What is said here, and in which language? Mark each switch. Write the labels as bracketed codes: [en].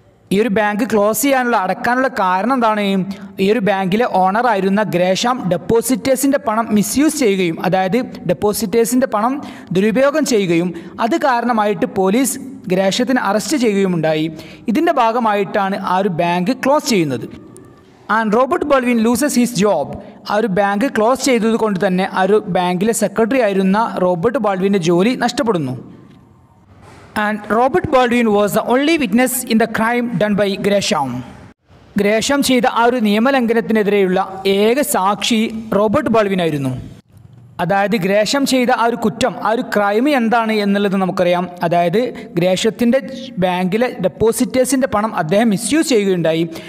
[ml] ഈ ഒരു bank close ചെയ്യാനുള്ള, അടക്കാനുള്ള കാരണം എന്താണ്? ഈ ഒരു ബാങ്കിലെ ഓണറായിരുന്ന ഗ്രേഷാം ഡെപ്പോസിറ്റേഴ്സിൻ്റെ പണം മിസ്യൂസ് ചെയ്യുകയും, അതായത് ഡെപ്പോസിറ്റേഴ്സിൻ്റെ പണം ദുരുപയോഗം ചെയ്യുകയും, അത് കാരണമായിട്ട് പോലീസ് ഗ്രേഷത്തിന് അറസ്റ്റ് ചെയ്യുകയുമുണ്ടായി. ഇതിൻ്റെ ഭാഗമായിട്ടാണ് ആ ഒരു ബാങ്ക് ക്ലോസ് ചെയ്യുന്നത്. [en] And Robert Baldwin loses his job. [ml] ആ ഒരു ബാങ്ക് ക്ലോസ് ചെയ്തതുകൊണ്ട് തന്നെ ആ ഒരു ബാങ്കിലെ സെക്രട്ടറി ആയിരുന്ന റോബർട്ട് ബോൾവിൻ്റെ ജോലി നഷ്ടപ്പെടുന്നു. [en] And Robert Baldwin was the only witness in the crime done by Gresham. [ml] Gresham ചെയ്തു ആ ഒരു നിയമലംഘനത്തിനെതിരെയുള്ള ഏക സാക്ഷി റോബർട്ട് ബോൾവിൻ ആയിരുന്നു. അതായത് ഗ്രേഷം ചെയ്ത ആ ഒരു കുറ്റം, ആ ഒരു ക്രൈം എന്താണ് എന്നുള്ളത് നമുക്കറിയാം. അതായത് ഗ്രേഷത്തിൻ്റെ ബാങ്കിലെ ഡെപ്പോസിറ്റേഴ്സിൻ്റെ പണം അദ്ദേഹം മിസ്യൂസ് ചെയ്യുകയുണ്ടായി.